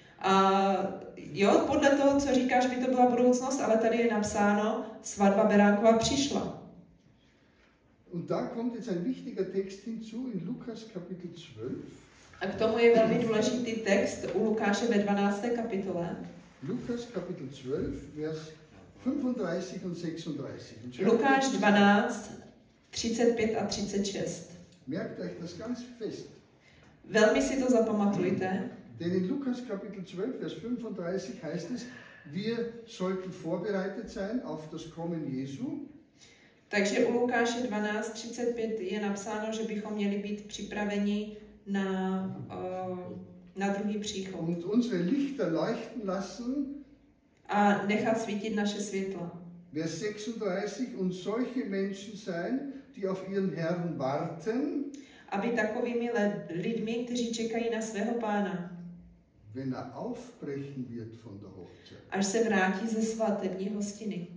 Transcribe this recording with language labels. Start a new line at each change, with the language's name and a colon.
Czech: A jo, podle toho, co říkáš, by to byla budoucnost, ale tady je napsáno, svatba Beránkova přišla.
German: Und da kommt jetzt ein wichtiger Text hinzu in Lukas Kapitel 12.
Czech: A k tomu je velmi důležitý text u Lukáše ve 12. kapitole.
German: Lukas Kapitel 12, Vers 35 und 36.
Czech: Lukáš 12, 35 a 36.
German: Merkt euch das ganz fest.
Czech: Velmi si to zapamatujte.
German: Denn in Lukas Kapitel 12, Vers 35 heißt es, wir sollten vorbereitet sein auf das Kommen Jesu.
Czech: Takže u Lukáše 12, 35 je napsáno, že bychom měli být připraveni na na druhý příchod.
German: Und unsere Lichter leuchten lassen.
Czech: A nechat svítit naše světla.
German: Vers 36 und solche Menschen sein, die auf ihren Herrn warten.
Czech: Aby takovými lidmi, kteří čekají na svého pána.
German: Wenn er aufbrechen wird von der Hochzeit.
Czech: Až se vrátí ze svatební hostiny.